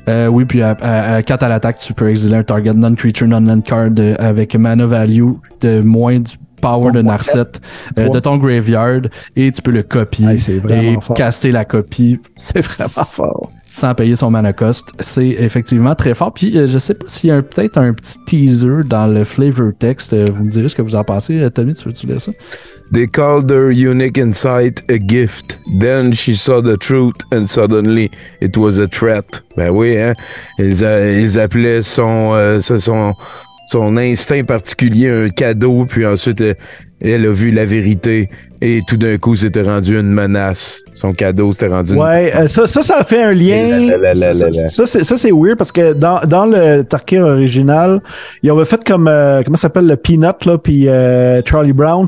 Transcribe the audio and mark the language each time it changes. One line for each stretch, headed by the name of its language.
French: Oui, puis quand à l'attaque, tu peux exiler un target non-creature, non-land card avec mana value de moins du power de Narset de ton graveyard et tu peux le copier et caster la copie. C'est vraiment fort. Sans payer son mana cost. C'est effectivement très fort. Puis je sais pas s'il y a peut-être un petit teaser dans le flavor text. Vous me direz ce que vous en pensez. Tommy, tu veux-tu lire ça?
English: They called her unique insight a gift. Then she saw the truth and suddenly it was a threat.
French: Ben oui, hein? Ils appelaient son instinct particulier un cadeau, puis ensuite elle a vu la vérité et tout d'un coup c'était rendu une menace. Son cadeau s'était rendu ça a fait un lien. Ça c'est weird parce que dans le Tarkir original, ils avaient fait comme comment ça s'appelle le Peanut là, puis Charlie Brown.